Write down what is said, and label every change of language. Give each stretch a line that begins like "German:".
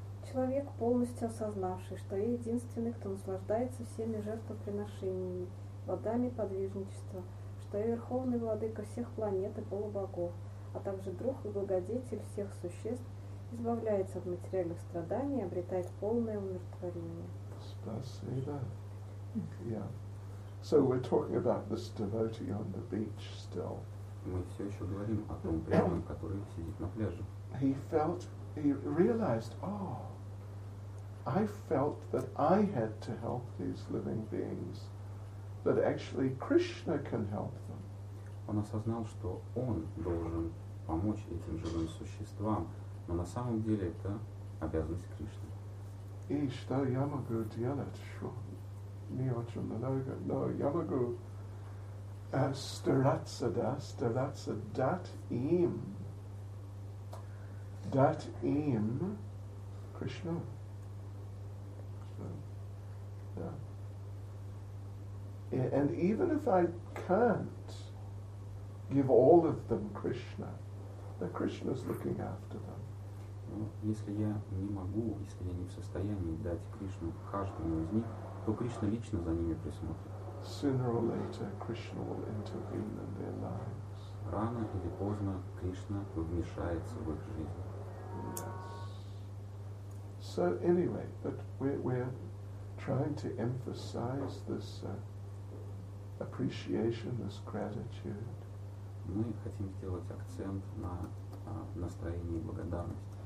Russian: Человек, полностью осознавший, что я единственный, кто наслаждается всеми жертвоприношениями, водами подвижничества, что я верховный владыка всех планет и полубогов, а также друг и благодетель всех существ, избавляется от материальных страданий и обретает полное умиротворение. Спасибо.
English: Yeah. So we're talking about this devotee on the beach still.
Russian: Мы все еще говорим о том преданном, который сидит на пляже.
English: He realized, oh, I felt that I had to help these living beings, that actually Krishna can help them.
Russian: Он осознал, что он должен помочь этим живым существам, но на самом деле это обязанность Кришны. И что я могу делать, что не очень много, но я могу стараться, дать им Кришну.
English: Yeah. And even if I can't give all of them Krishna, the Krishna is looking after them.
Russian: Если я не могу, если я не в состоянии дать Кришну каждому из них, то Кришна лично за ними присмотрит.
English: Sooner or later, Krishna will intervene in their lives.
Russian: Рано или поздно Кришна вмешается в их жизнь.
English: Yes. So anyway, but we're trying to emphasize this appreciation, this gratitude.
Russian: Мы хотим сделать акцент на настроении благодарности.